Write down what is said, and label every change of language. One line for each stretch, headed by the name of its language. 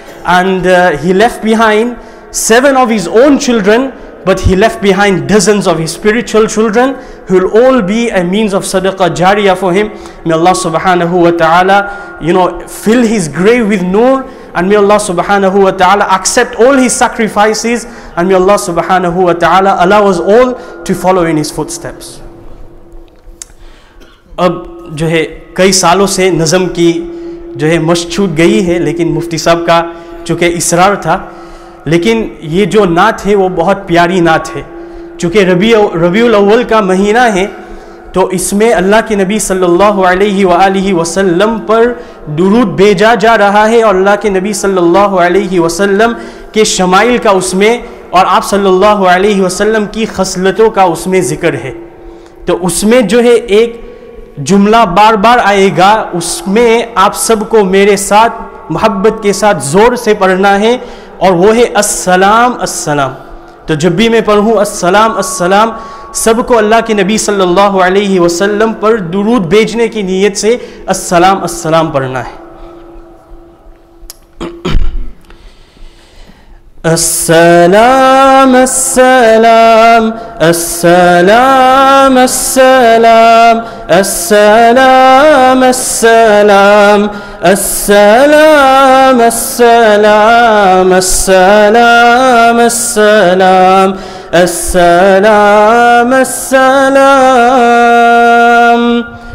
English: And he left behind 7 of his own children, but he left behind dozens of his spiritual children who will all be a means of sadaqah jariyah for him. May Allah subhanahu wa ta'ala, you know, fill his grave with nur. And may Allah subhanahu wa ta'ala accept all his sacrifices. And may Allah subhanahu wa ta'ala allow us all to follow in his footsteps.
Urdu: اب جو ہے کئی سالوں سے نظم کی جو ہے مشق چھوٹ گئی ہے, لیکن مفتی صاحب کا چونکہ اصرار تھا, لیکن یہ جو نعت ہے وہ بہت پیاری نعت ہے. چونکہ ربیع الاول کا مہینہ ہے, تو اس میں اللہ کے نبی صلی اللہ علیہ وآلہ وسلم پر درود بھیجا جا رہا ہے, اور اللہ کے نبی صلی اللہ علیہ وسلم کے شمائل کا اس میں اور آپ صلی اللہ علیہ وسلم کی خصلتوں کا اس میں ذکر ہے. تو اس میں جو ہے ایک جملہ بار بار آئے گا, اس میں آپ سب کو میرے ساتھ محبت کے ساتھ زور سے پڑھنا ہے, اور وہ ہے السلام السلام. تو جب بھی میں پڑھوں السلام السلام, سب کو اللہ کے نبی صلی اللہ علیہ وسلم پر درود بھیجنے کی نیت سے السلام السلام پڑھنا ہے.
Arabic: السلام السلام السلام السلام السلام السلام السلام السلام السلام السلام السلام السلام.